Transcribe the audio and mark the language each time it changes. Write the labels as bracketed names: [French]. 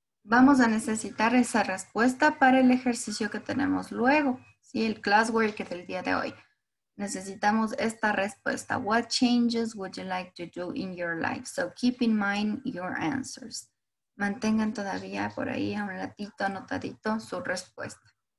[Spanish] Vamos a necesitar esa respuesta para el ejercicio que tenemos luego, ¿sí? El classwork del día de hoy. Necesitamos esta respuesta. [English] What changes would you like to do in your life? So keep in mind your answers. [Spanish] Mantengan todavía por ahí a un ratito anotadito su respuesta.